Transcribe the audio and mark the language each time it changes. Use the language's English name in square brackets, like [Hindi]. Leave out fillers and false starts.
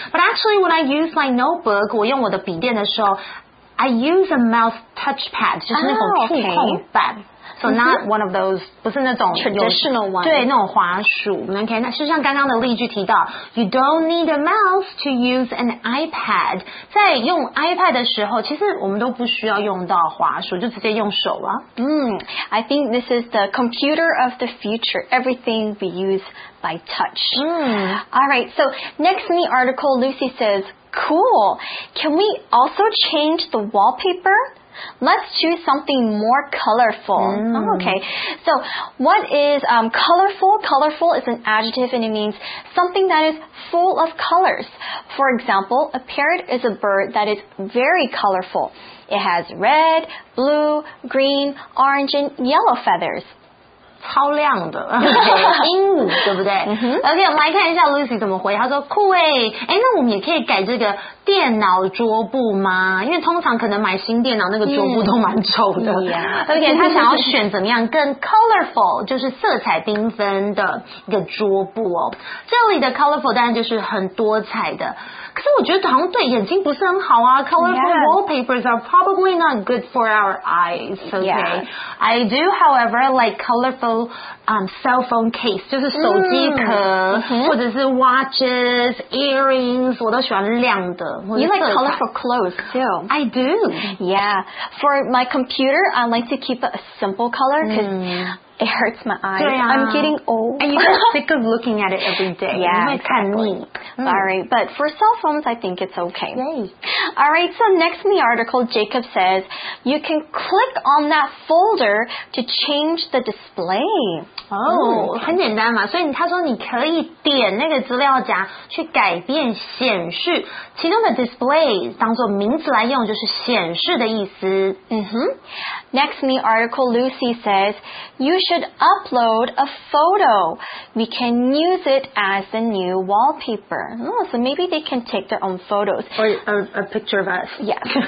[English] But actually, when I use my notebook, [Chinese] 我用我的笔电的时候， [English] I use a mouse touchpad, [Chinese] 就是那种触控板。 [English] So not one of those, [Chinese] 不是那种 [English] traditional one. [Chinese] 对，那种滑鼠。 [English] Okay, [Chinese] 那就像刚刚的例句提到 [English] ,you don't need a mouse to use an iPad. [Chinese] 在用 iPad 的时候其实我们都不需要用到滑鼠就直接用手了。 [English] I think this is the computer of the future. Everything we use by touch. Alright, so next in the article, Lucy says,Cool. Can we also change the wallpaper? Let's choose something more colorful. Okay. So what is colorful? Colorful is an adjective and it means something that is full of colors. For example, a parrot is a bird that is very colorful. It has red, blue, green, orange, and yellow feathers. [Chinese] 超亮的鹦鹉对不对、 mm-hmm. OK 我们来看一下 Lucy 怎么回，他说酷耶、欸、诶那我们也可以改这个电脑桌布吗，因为通常可能买新电脑那个桌布都蛮丑的、 mm-hmm. OK 他想要选怎么样更 colorful 就是色彩缤纷的一个桌布哦。这里的 colorful 当然就是很多彩的，可是我觉得好像对眼睛不是很好啊。 [English] Colorful、yeah. wallpapers are probably not good for our eyes. Okay,、 yeah. I do, however, like colorful、cell phone case, [Chinese] 就是手机壳、 mm-hmm. 或者是 [English] watches, earrings, [Chinese] 我都喜欢亮的。 [English] You like colorful clothes too. I do. Yeah, for my computer, I like to keep a simple color because.、Mm. It hurts my eyes.、 Yeah. I'm getting old. And you get sick of looking at it every day. Yeah, it's kind of neat. Sorry, but for cell phones, I think it's okay. Yay. All right, so next in the article, Jacob says, you can click on that folder to change the display. [Chinese] Oh, 很简单嘛。所以他说你可以点那个资料夹去改变显示。其中的 display 当作名词来用就是显示的意思。 Mm-hmm. [English] Next in the article, Lucy says, You should upload a photo. We can use it as the new wallpaper. Oh, so maybe they can take their own photos. Or a picture of us. Yes.